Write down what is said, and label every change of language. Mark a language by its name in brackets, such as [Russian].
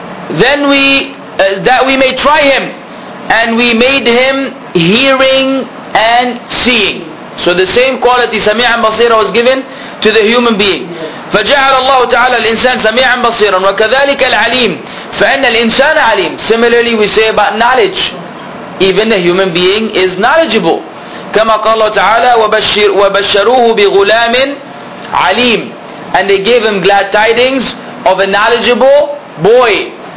[English] Then we that we may try him, and we made him hearing and seeing. So the same quality, [Arabic] سميعا بصيرا, [English] was given to the human being. [Arabic] فجعل الله تعالى الإنسان سميعا بصيرا وكذلك العليم. فإن الإنسان عليم. [English] Similarly, we say about knowledge, even a human being is knowledgeable. [Arabic] كما قال الله تعالى وبشروه بغلام عليم. [English] And they gave him glad tidings of a knowledgeable boy.